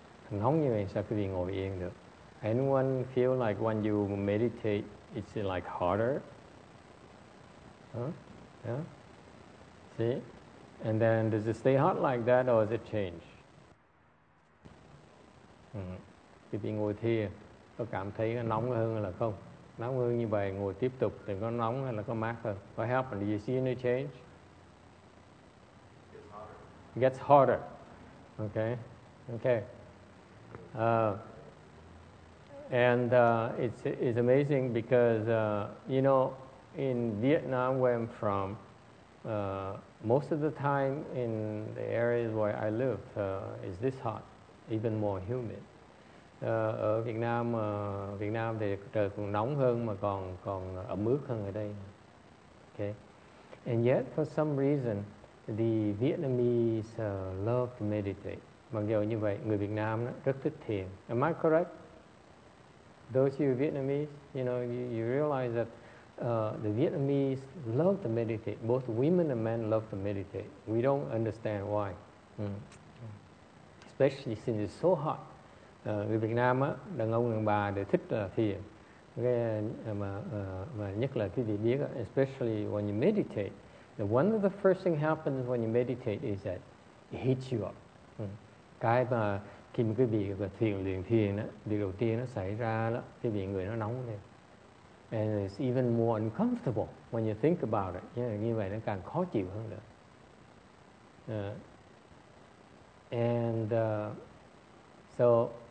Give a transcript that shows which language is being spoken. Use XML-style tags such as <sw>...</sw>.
<vi>Nóng như vậy sao quý vị ngồi yên được?</vi> <en>Anyone feel like when you meditate, it's like harder? Huh? Yeah? See? And then does it stay hot like that or does it change?</en> <vi>Quý vị ngồi thiền có cảm thấy nó nóng hơn hay là không? Nóng hơn như vậy ngồi tiếp tục thì có nóng hay là có mát hơn?</vi> <en>What happened? Do you see any change? Gets harder. Gets harder. Okay. It's amazing because in Vietnam where I'm from, most of the time in the areas where I live is this hot, even more humid.</en> <vi>Ở Việt Nam thì trời còn nóng hơn mà còn ẩm ướt hơn ở đây.</vi> <en>Okay. And yet, for some reason, the Vietnamese love to meditate.</en> <vi>Mặc dù như vậy, người Việt Nam rất thích thiền.</vi> <en>Am I correct? Those of you Vietnamese, you realize that the Vietnamese love to meditate. Both women and men love to meditate. We don't understand why. Especially since it's so hot.</en> <vi>Người Việt Nam á, đàn ông đàn bà đều thích thiền.</vi> <en>Okay,</en> <vi>mà nhất là quý vị biết,</vi> <en>especially when you meditate, one of the first thing happens when you meditate is that it heats you up.</en> <vi>Cái mà khi mà quý vị thiền luyện thiền á, việc đầu tiên nó xảy ra đó, quý vị người nó nóng lên.</vi> <en>And it's even more uncomfortable when you think about it.</en> <vi>Như vậy nó càng khó chịu hơn nữa.</vi>